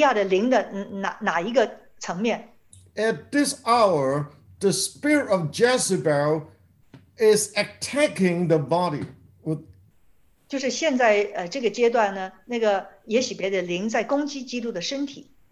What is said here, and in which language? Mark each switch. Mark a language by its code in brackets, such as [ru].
[zh] 那现在神让他呢知道，以利亚的灵，神需要以利亚的灵的哪一个层面？ [en] At this hour, the spirit of Jezebel is attacking the body. [zh] 就是现在这个阶段呢，那个耶洗别的灵在攻击基督的身体。